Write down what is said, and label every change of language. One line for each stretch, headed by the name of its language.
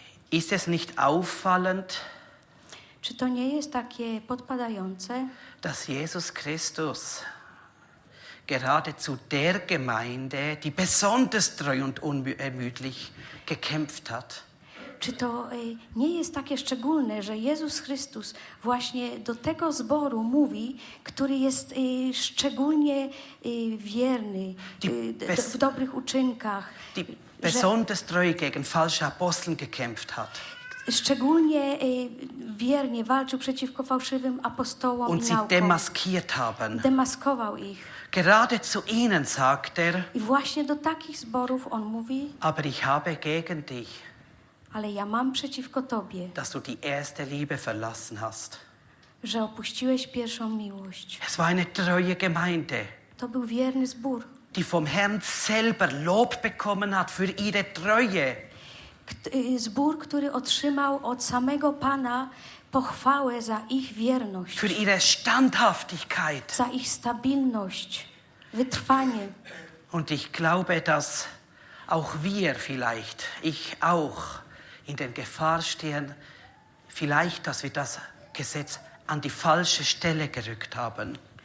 German: Ist es nicht auffallend,
Polish: czy to nie jest takie podpadające,
German: dass Jesus Christus gerade zu der Gemeinde, die besonders treu und unermüdlich gekämpft hat?
Polish: Czy to nie jest takie szczególne, że Jezus Chrystus właśnie do tego zboru mówi, który jest szczególnie wierny w dobrych uczynkach?
German: Die besonders treu gegen falsche Aposteln gekämpft hat.
Polish: Szczególnie wiernie walczył przeciwko fałszywym apostołom
German: und
Polish: i naukom.
German: Demaskiert haben.
Polish: Demaskował ich.
German: Gerade zu ihnen sagt er.
Polish: I właśnie do takich zborów on mówi.
German: Aber ich habe gegen dich.
Polish: Ale ja mam przeciwko tobie.
German: Dass du die erste Liebe verlassen hast.
Polish: Że opuściłeś pierwszą miłość.
German: Es war eine treue Gemeinde.
Polish: To był wierny zbór.
German: Die vom Herrn selber Lob bekommen hat für ihre Treue.
Polish: Zbór, który otrzymał od samego Pana pochwałę za ich wierność.
German: Für ihre Standhaftigkeit.
Polish: Za ich stabilność, wytrwanie.
German: Und ich glaube, dass auch wir vielleicht, ich auch, in den Gefahr stehen, vielleicht, dass wir das Gesetz an die falsche Stelle gerückt haben.